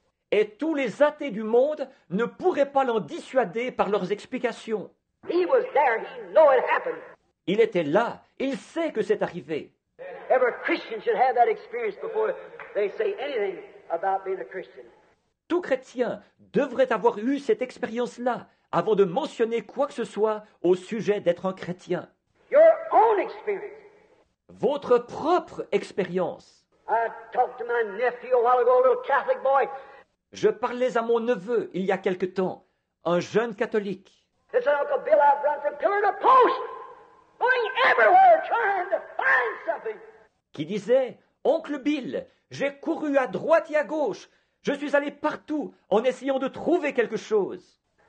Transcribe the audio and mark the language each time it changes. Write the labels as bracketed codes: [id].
[fr] Et tous les athées du monde ne pourraient pas l'en dissuader par leurs explications. [en] He was there, he knew it happened. [fr] Il était là, il sait que c'est arrivé. [en] Every Christian should have that experience before they say anything about being a Christian. [fr] Tout chrétien devrait avoir eu cette expérience-là avant de mentionner quoi que ce soit au sujet d'être un chrétien. [en] Your own experience. [fr] Votre propre expérience. [en] I talked to my nephew a while ago, a little Catholic boy. [fr] Je parlais à mon neveu il y a quelque temps, un jeune catholique. [en] It's an Uncle Bill, I've run from pillar to post, going everywhere trying to find something. [fr] Qui disait, Oncle Bill, j'ai couru à droite et à gauche. Je suis allé partout en essayant de trouver quelque chose.